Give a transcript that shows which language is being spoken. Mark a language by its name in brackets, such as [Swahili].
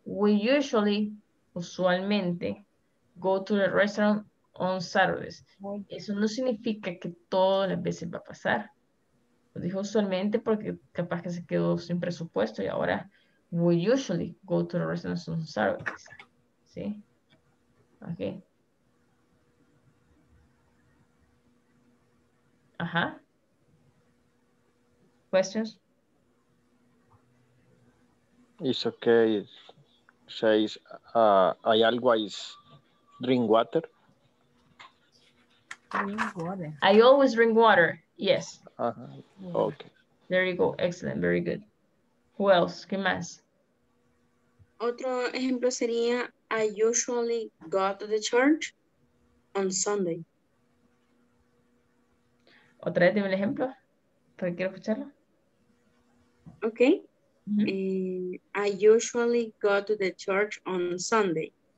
[English] We usually, [Spanish] usualmente, [English] go to the restaurant on Saturdays. [Spanish] Eso no significa que todas las veces va a pasar. Lo dijo usualmente porque capaz que se quedó sin presupuesto y ahora [English] we usually go to the restaurant on Saturdays. [Spanish] ¿Sí? Ok. [English] Ajá. ¿Questions? It's okay. It says, I always drink water. I always drink water. Yes. Uh-huh. Okay. There you go. Excellent. Very good. Who else? [Spanish] ¿Qué más? Otro ejemplo sería, [English] I usually go to the church on Sunday. [Spanish] Otra vez, dime el ejemplo, porque quiero escucharlo. Ok. Mm-hmm. [English] I usually go to the church on Sunday.